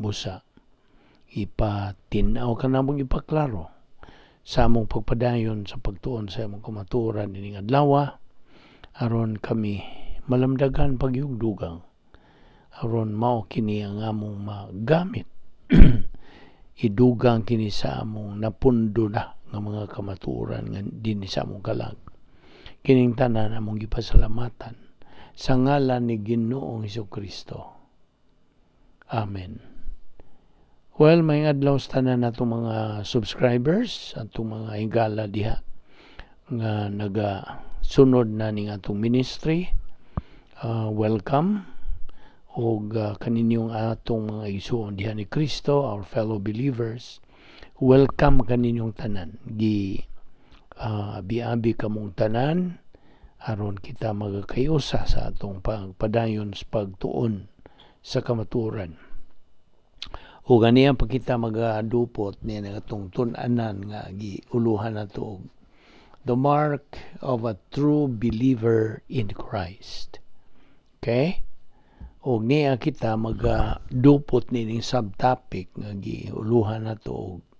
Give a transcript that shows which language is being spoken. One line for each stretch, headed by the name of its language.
Cebuano: Busa, ipatinaw ka namong ipaklaro sa mong pagpadayon sa pagtuon sa mong kumaturan nininga adlawa, aron kami malamdagan pagyugdugang, aron mao kini ang among magamit. Idugang kini sa among napundo na ng mga kamaturan din sa among kalag. kining tanan among gipasalamatan sa ngalan ni Ginoong Hesukristo. Amen. Well, may adlaw sa tanan na itong mga subscribers at itong mga higala diha nga nagasunod na ning atong ministry. Welcome. Og kaninyong atong mga isuon diha ni Kristo,
English: our fellow believers.
Cebuano: Welcome kaninyong tanan. Abi-abi kamong tanan. Aron kita magkayusa sa atong pagpadayon sa pagtuon sa kamaturan. O gani ang pagkita mag-adupot ni itong tunanan nga giuluhan na ito.
English: The mark of a true believer in Christ. Okay?
Cebuano: O niya kita mag-adupot ni ng subtopic nga giuluhan na ito.